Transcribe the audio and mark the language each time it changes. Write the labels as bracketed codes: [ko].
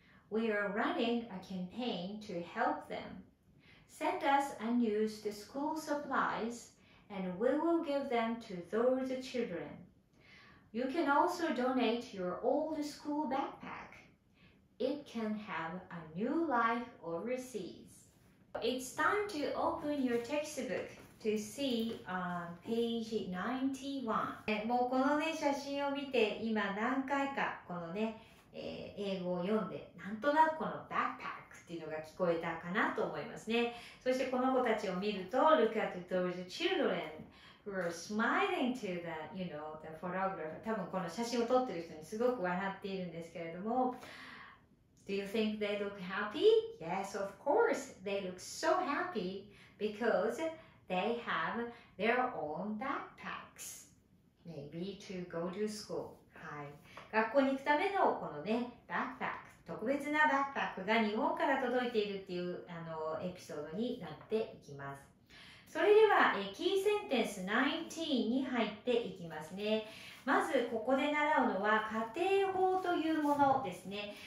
[en] We are running a campaign to help them. Send us unused school supplies and we will give them to those children. You can also donate your old school backpack. It can have a new life overseas. It's time to open your textbook to see page 91. [ja] もうこのね写真を見て今何回かこのね、英語を読んでなんとなくこのバックパックっていうのが聞こえたかなと思いますね。そしてこの子たちを見ると [en] Look at those children who are smiling to the, you know, the photographer. [ja] 多分この写真を撮ってる人にすごく笑っているんですけれども、 [en] Do you think they look happy? Yes, of course. They look so happy because they have their own backpacks. Maybe to go to school. はい。 [ja] 学校に行くためのこのね、バックパック、特別なバックパックが日本から届いているっていうあのエピソードになっていきます。それでは、キーセンテンス19に入っていきますね。まず、ここで習うのは、仮定法というものですね。